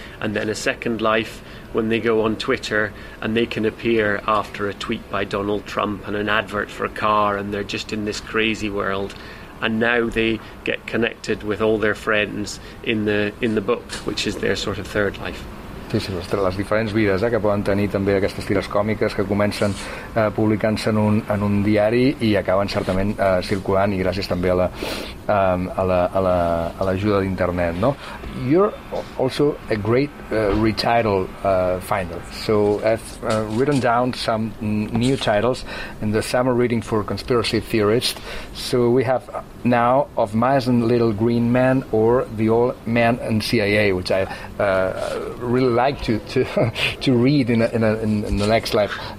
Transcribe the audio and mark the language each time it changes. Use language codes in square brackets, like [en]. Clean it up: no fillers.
[en] And then a second life when they go on Twitter and they can appear after a tweet by Donald Trump and an advert for a car and they're just in this crazy world. And now they get connected with all their friends in the book, which is their sort of third life. [ca] Sí, sí, les diferents vides que poden tenir també aquestes tires còmiques que comencen publicant-se en un diari i acaben certament circulant i gràcies també a l'ajuda d'internet, no? [en] You're also a great retitle finder. So I've written down some new titles in the summer reading for conspiracy theorists. So we have now Of Mice and Little Green Men or The Old Man and CIA, which I really like to read in the next life.